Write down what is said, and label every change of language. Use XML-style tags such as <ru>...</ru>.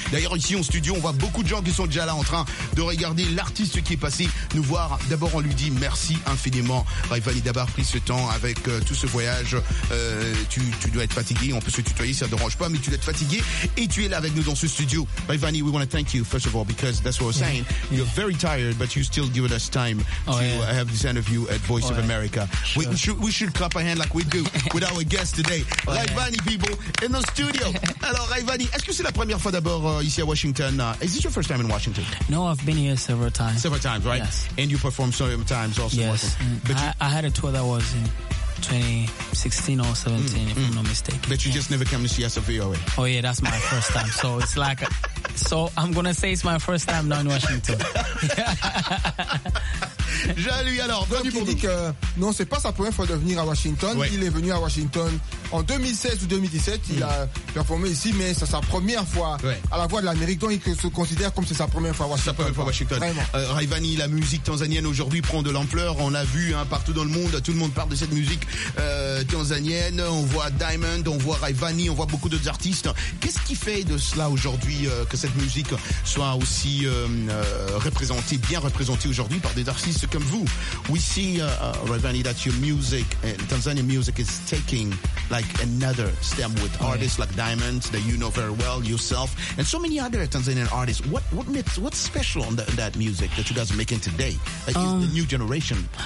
<fr>D'ailleurs ici en studio, on voit beaucoup de gens qui sont déjà là en train de regarder l'artiste qui est passé nous voir. D'abord, on lui dit merci infiniment. Raivani, d'abord, pris ce temps avec tout ce voyage. Tu dois être fatigué. On peut se tutoyer, ça ne dérange pas, mais tu dois être fatigué. Et tu es là avec nous dans ce studio.</fr> <en>Raivani, we want to thank you, first of all, because that's what I was saying. You're very tired, but you still give us time to have this interview at Voice of America. Sure. We should clap a hand like we do with our guest today. Raivani, people, in the studio.</en> <fr>Alors, Raivani, est-ce que c'est la première fois d'abord ici à Washington?</fr> <en>Is this your first time in Washington? No, I've been here several times. Several times, right? Yes. And you performed several times also. Yes. But I had a tour that was in 2016 or 17, if I'm not mistaken. But you just never came to see us at VOA. Oh yeah, that's my first time. So it's like, I'm gonna say it's my first time now in Washington.</en> <fr>Jean-Louis, alors, donc il dit que non, c'est pas sa première fois de venir à Washington. Oui. Il est venu à Washington en 2016 ou 2017. Il a performé ici, mais c'est sa première fois à la Voix de l'Amérique. Donc il se considère comme c'est sa première fois à Washington. Raivani, la musique tanzanienne aujourd'hui prend de l'ampleur. On l'a vu partout dans le monde. Tout le monde parle de cette musique tanzanienne. On voit Diamond, on voit Raivani, on voit beaucoup d'autres artistes. Qu'est-ce qui fait de cela aujourd'hui que cette musique soit aussi représentée, bien représentée aujourd'hui par des artistes comme vous?</fr> <en>We see, Raivani, that your music, Tanzanian music, is taking like another stem with artists like Diamond, that you know very well yourself, and so many other Tanzanian artists. What's special on that music that you guys are making today? Like the new generation.</en>